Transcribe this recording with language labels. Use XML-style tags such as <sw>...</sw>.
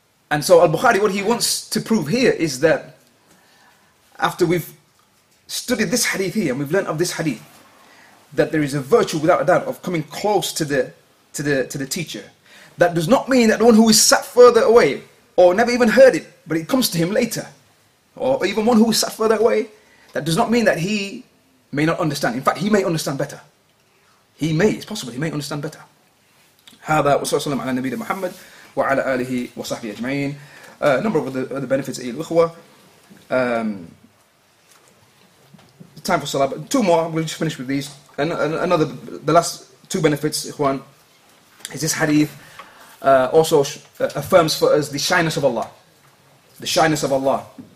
<en>And so Al-Bukhari, what he wants to prove here is that after we've studied this hadith here, and we've learned of this hadith, that there is a virtue without a doubt of coming close to the teacher. That does not mean that the one who is sat further away, or never even heard it, but it comes to him later, or even one who is sat further away, that does not mean that he may not understand. In fact, he may understand better. He may, it's possible, he may understand better.</en> <ar>هذا وصلى الله على النبي محمد وعلى آله وصحبه أجمعين.</ar> <en>A number of the benefits,</en> <ar>أيها الأخوة.</ar> <en>Time for salah, but two more, we'll just finish with these. Another, the last two benefits, إخوان, is this hadith also affirms for us the shyness of Allah. The shyness of Allah.</en>